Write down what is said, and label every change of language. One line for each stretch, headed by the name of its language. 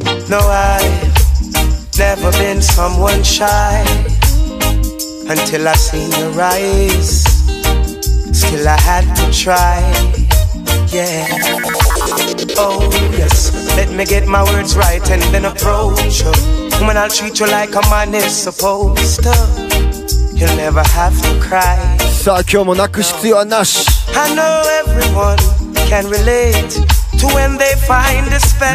English: No, I've never been someone shy until I seen your eyes. Still I had to try. Yeah. Oh yes, let me get my words right and then approach you. When I'll treat you like a man is supposed to, you'll never have to cry.
Japanese: さあ、今日も泣く必要はなし。
English: I know everyone can relate to when they find a special.